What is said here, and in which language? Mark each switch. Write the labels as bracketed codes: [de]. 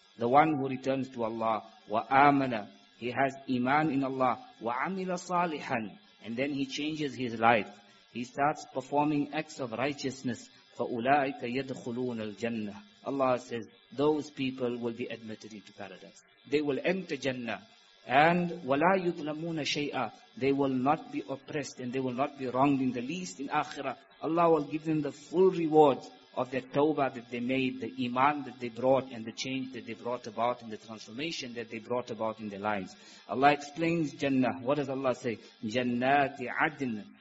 [en] The one who returns to Allah, [ar] wa amana, [en] he has iman in Allah, [ar] wa amila salihan, [en] and then he changes his life. He starts performing acts of righteousness. [ar] Fa ulaika yadkhuluna al-jannah. [en] Allah says, those people will be admitted into paradise. They will enter Jannah. [ar] And وَلَا يُظْلَمُونَ شَيْئًا. [en] They will not be oppressed and they will not be wronged in the least in Akhirah. Allah will give them the full reward of their tawbah that they made, the iman that they brought, and the change that they brought about, and the transformation that they brought about in their lives. Allah explains Jannah. What does Allah say? [ar] جَنَّاتِ عَدْن.